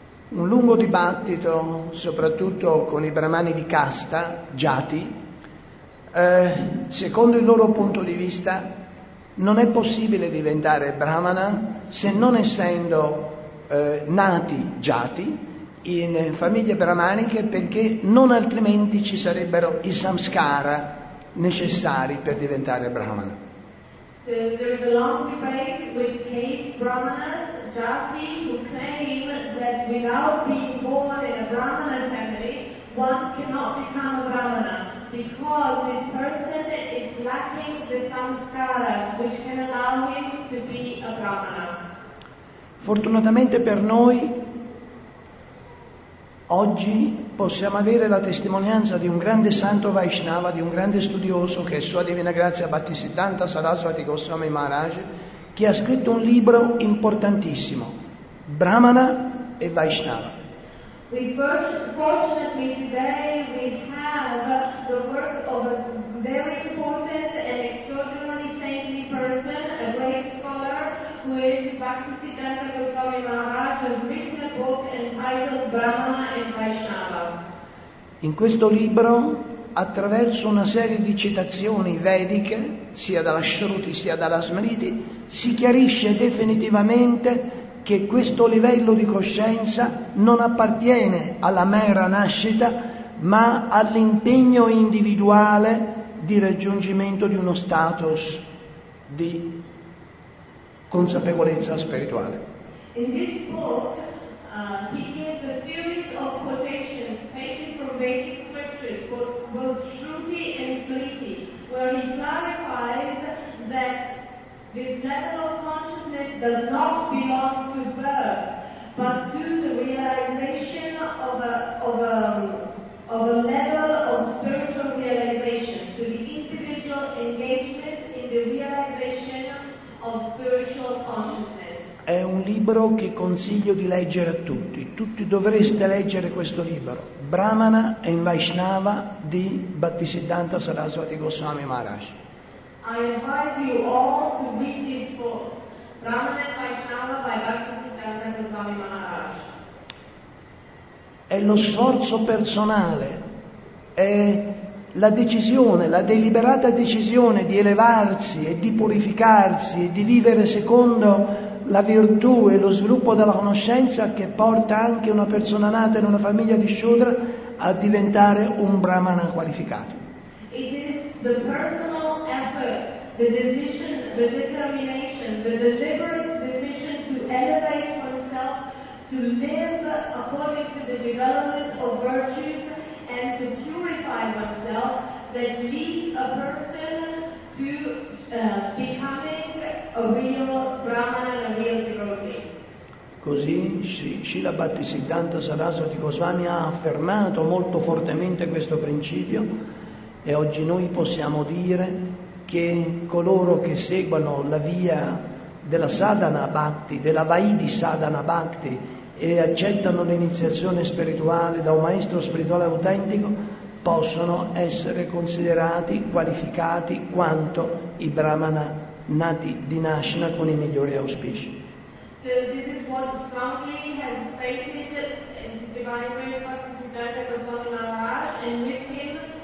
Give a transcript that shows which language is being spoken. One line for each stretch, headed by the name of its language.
Italian: Un lungo dibattito, soprattutto con i bramani di casta, Jati, secondo il loro punto di vista non è possibile diventare brahmana se non essendo nati Jati in famiglie brahmaniche, perché non altrimenti ci sarebbero i samskara necessari per diventare brahmana.
English: There's a long debate with caste brahmanas, Jati, who claim that without being born in a brahmana family, one cannot become a brahmana because this person is lacking the samskaras which can allow him to be a brahmana.
Italian: Fortunatamente per noi, oggi possiamo avere la testimonianza di un grande santo Vaishnava, di un grande studioso che è Sua Divina Grazia Bhaktisiddhanta Saraswati Goswami Maharaj, che ha scritto un libro importantissimo, Brahmana e Vaishnava.
English: We fortunately today we have the work of a very important and extraordinary saintly person, a great scholar who is Bhaktisiddhanta Goswami Maharaj, who has written a book entitled Brahmana and Vaishnava.
Italian: In questo libro, attraverso una serie di citazioni vediche, sia dalla Shruti sia dalla Smriti, si chiarisce definitivamente che questo livello di coscienza non appartiene alla mera nascita, ma all'impegno individuale di raggiungimento di uno status di consapevolezza spirituale.
English: In this book, he gives a series of quotations taken from Vedic scriptures, both Shruti and Smriti, where he clarifies that this level of consciousness does not belong to birth, but to the realization of a level of spiritual realization, to the individual engagement in the realization of spiritual consciousness.
Italian: È un libro che consiglio di leggere a tutti. Tutti dovreste leggere questo libro, Brahmana and Vaishnava di Bhaktisiddhanta Saraswati Goswami Maharaj.
English: I invite you all to read this book, Brahmana and Vaishnava by Bhaktisiddhanta Goswami Maharaj.
Italian: È lo sforzo personale, è la decisione, la deliberata decisione di elevarsi e di purificarsi e di vivere secondo la virtù e lo sviluppo della conoscenza che porta anche una persona nata in una famiglia di Shudra a diventare un brahmana qualificato.
English: It is the personal effort, the decision, the determination, the deliberate decision to elevate oneself, to live according to the development of virtues and to purify oneself that leads a person to becoming a real brahmana and a real devotee.
Italian: Così Srila Bhaktisiddhanta Saraswati Goswami ha affermato molto fortemente questo principio. E oggi noi possiamo dire che coloro che seguono la via della sadhana bhakti, della vaidhi sadhana bhakti, e accettano l'iniziazione spirituale da un maestro spirituale autentico, possono essere considerati qualificati quanto i brahmana nati di nascita con i migliori auspici.
English: So this is what strongly has stated the Divine Grace Bhaktisiddhanta Goswami Maharaj, and with him